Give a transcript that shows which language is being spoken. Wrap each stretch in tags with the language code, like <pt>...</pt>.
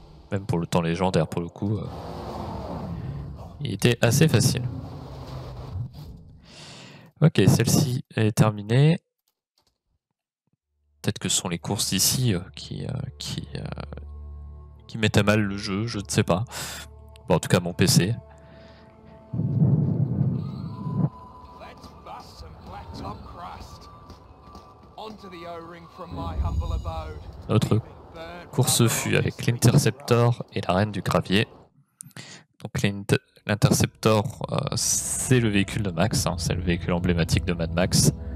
<fr>Même pour le temps légendaire, pour le coup, il était assez facile. Ok, celle-ci est terminée. Peut-être que ce sont les courses ici qui mettent à mal le jeu, je ne sais pas. Bon, en tout cas, mon PC.</fr> <en>Let's bust some blacktop crust. Onto the O-ring from my humble abode.</en> <fr>Notre course fut avec l'Interceptor et la Reine du Gravier. Donc l'Interceptor, c'est le véhicule de Max, hein, c'est le véhicule emblématique de Mad Max.</fr>